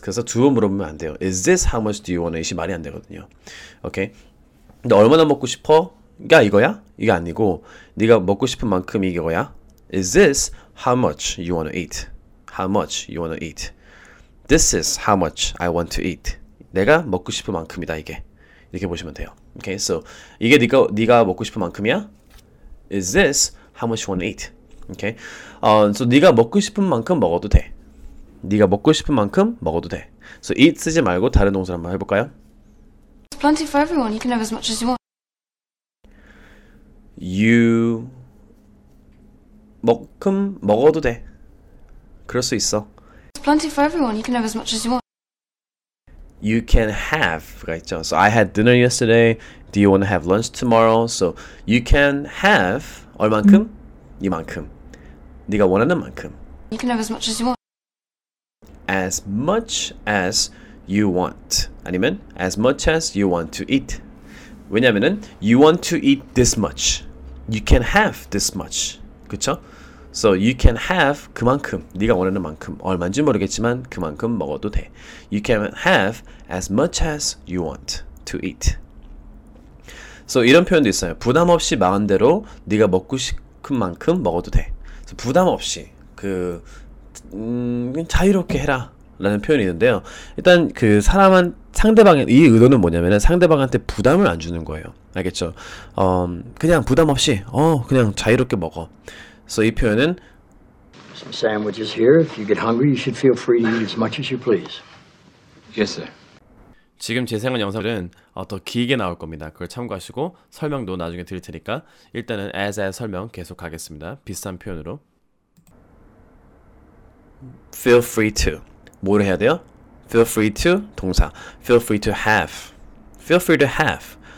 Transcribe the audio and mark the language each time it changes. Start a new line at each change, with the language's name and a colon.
Korean: 그래서 두 번 물어보면 안 돼요.
English: Is this how much do you want to eat
Korean: 이 말이 안 되거든요. 오케이? 너 얼마나 먹고 싶어? 이게 이거야? 이게 아니고 네가 먹고 싶은 만큼 이거야?
English: Is this how much you want to eat? How much you want to eat? This is how much I want to eat.
Korean: 내가 먹고 싶은 만큼이다 이게. 이렇게 보시면 돼요. Okay, so 이게 네가 먹고 싶은 만큼이야?
English: Is this how much you want to eat?
Korean: Okay, so 네가 먹고 싶은 만큼 먹어도 돼. 네가 먹고 싶은 만큼 먹어도 돼. So eat 쓰지 말고 다른 동사 한번 해볼까요?
English: Plenty for everyone. You can have as much as you want.
Korean: You 먹금 먹어도 돼. 그럴 수 있어.
English: Plenty for everyone. You can have as much as you want. You can have가 있죠. So I had dinner yesterday. Do you want to have lunch tomorrow? So you can have
Korean: 얼만큼? 이만큼. 네가 원하는 만큼.
English: You can have as much as you want. As much as you want. 아니면 as much as you want to eat.
Korean: 왜냐면은
English: you want to eat this much. You can have this much.
Korean: 그쵸?
English: So you can have
Korean: 그만큼 네가 원하는 만큼 얼마인지 모르겠지만 그만큼 먹어도 돼.
English: You can have as much as you want to eat.
Korean: So 이런 표현도 있어요. 부담 없이 마음대로 네가 먹고 싶은 만큼 먹어도 돼. So 부담 없이 자유롭게 해라 라는 표현이 있는데요. 일단 그 사람은 상대방의 이 의도는 뭐냐면은 상대방한테 부담을 안 주는 거예요. 알겠죠? 그냥 부담 없이 그냥 자유롭게 먹어. So 이 표현은
English: Some sandwiches here. If you get hungry, you should feel free to eat as much as you please. Yes, sir.
Korean: 지금 재생한 영상은 더 길게 나올 겁니다. 그걸 참고하시고 설명도 나중에 드릴 테니까 일단은 as 설명 계속 가겠습니다. 비슷한 표현으로 feel free to 뭐를 해야 돼요?
English: Feel free to 동사. Feel free to have. Feel free to have.